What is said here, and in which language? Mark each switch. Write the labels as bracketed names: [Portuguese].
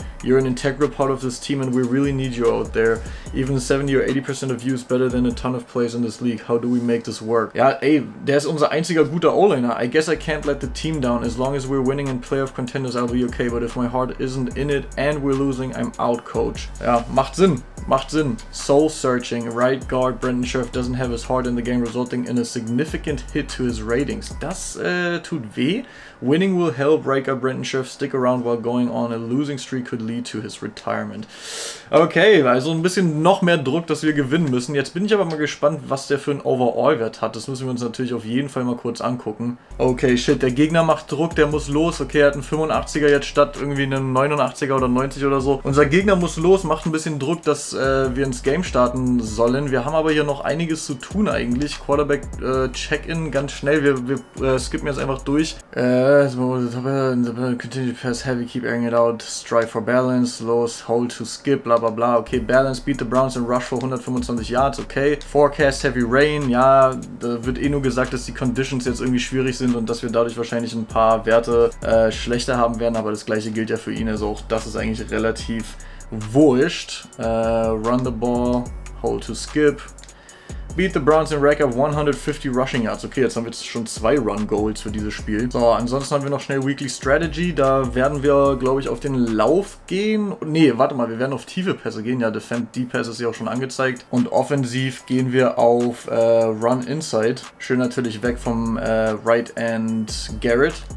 [English] You're an integral part of this team and we really need you out there. Even 70 or 80% of you is better than a ton of players in this league. How do we make this work? [German] Ja, ey, der ist unser einziger guter O-Liner. [English] I guess I can't let the team down. As long as we're winning and playoff contenders, I'll be okay. But if my heart isn't in it and we're losing, I'm out, coach. [German] Ja, macht Sinn. Macht Sinn. [English] Soul searching. Right guard Brandon Scherf doesn't have his heart in the game, resulting in a significant hit to his ratings. [German] Das tut weh. [English] Winning will help right guard Brandon Scherf stick around while going on. A losing streak could lead lead to his retirement. [German] Okay, also ein bisschen noch mehr Druck, dass wir gewinnen müssen. Jetzt bin ich aber mal gespannt, was der für einen Overall-Wert hat. Das müssen wir uns natürlich auf jeden Fall mal kurz angucken. Okay, shit, der Gegner macht Druck, der muss los. Okay, er hat einen 85er jetzt statt irgendwie einen 89er oder 90 oder so. Unser Gegner muss los, macht ein bisschen Druck, dass wir ins Game starten sollen. Wir haben aber hier noch einiges zu tun eigentlich. Quarterback Check-in ganz schnell. Wir skippen jetzt einfach durch. [English] Continue to pass heavy, keep airing it out. Strive for balance, lose, hold to skip, bla bla bla. Okay, balance, beat the Browns and rush for 125 Yards, okay. Forecast heavy rain, [German] ja, da wird eh nur gesagt, dass die Conditions jetzt irgendwie schwierig sind und dass wir dadurch wahrscheinlich ein paar Werte schlechter haben werden, aber das gleiche gilt ja für ihn, also auch das ist eigentlich relativ wurscht. [English] Run the ball, hold to skip. Beat the Browns in Rack up 150 Rushing Yards. [German] Okay, jetzt haben wir jetzt schon zwei Run Goals für dieses Spiel. So, ansonsten haben wir noch schnell Weekly Strategy. Da werden wir, glaube ich, auf den Lauf gehen. Nee, warte mal, wir werden auf tiefe Pässe gehen. Ja, Defend D-Pass ist ja auch schon angezeigt. Und offensiv gehen wir auf Run Inside. Schön natürlich weg vom Right End Garrett.